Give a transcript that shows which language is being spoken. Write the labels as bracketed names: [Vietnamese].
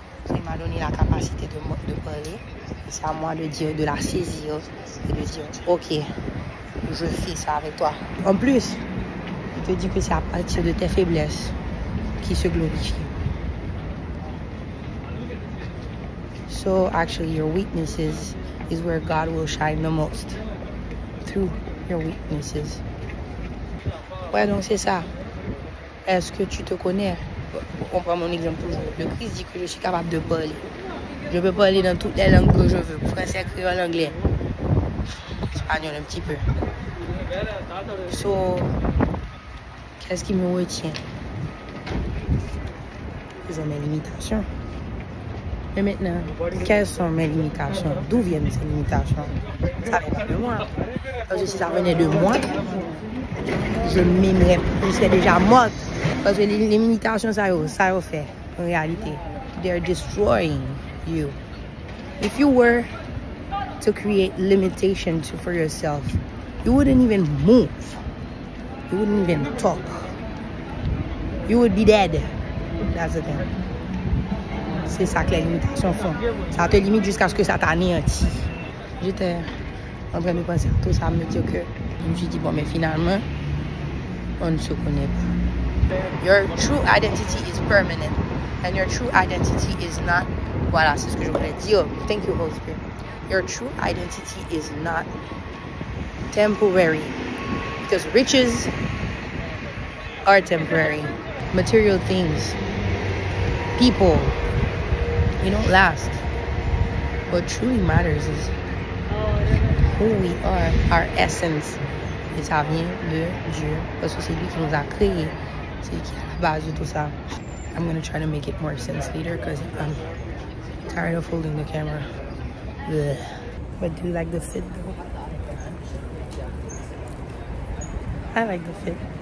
[French] Il m'a donné la capacité de parler. C'est à moi de dire, de la saisir et de dire, ok, je fais ça avec toi. En plus, il te dit que c'est à partir de tes faiblesses qu'il se glorifie. [English] So actually, your weaknesses is where God will shine the most. Your weaknesses. [French] Ouais, donc c'est ça. Est-ce que tu te connais? On prend mon exemple toujours. Le Christ dit que je suis capable de parler. Je peux parler dans toutes les langues que je veux. Français, créole, anglais. Espagnol un petit peu. [English] So, [French] qu'est-ce qui me retient? C'est mes limitations. Mais maintenant, quelles sont mes limitations? D'où viennent ces limitations? Ça vient de moi. Parce que si ça venait de moi, je m'aimerais plus, je serais déjà morte. Parce que les limitations, ça y fait, en réalité. [English] They're destroying you. If you were to create limitations for yourself, you wouldn't even move. You wouldn't even talk. You would be dead. That's the thing. [French] C'est ça que les limitations font. Ça te limite jusqu'à ce que ça t'anéantit. J'étais en train de penser à tout ça, me dire que je me suis dit, bon, mais finalement, on ne se connaît pas. [English] Your true identity is permanent. And your true identity is not. [French] Voilà, c'est ce que je voulais dire. [English] Thank you, Holy Spirit. Your true identity is not temporary. Because riches are temporary. Material things, people, you don't last. What truly matters is who we are, our essence, [French] Et ça vient de Dieu, parce que c'est lui qui nous a créé, c'est lui qui a la base de tout ça. [English] I'm going to try to make it more sense later, because I'm tired of holding the camera. Blech. But do you like the fit, though? I like the fit.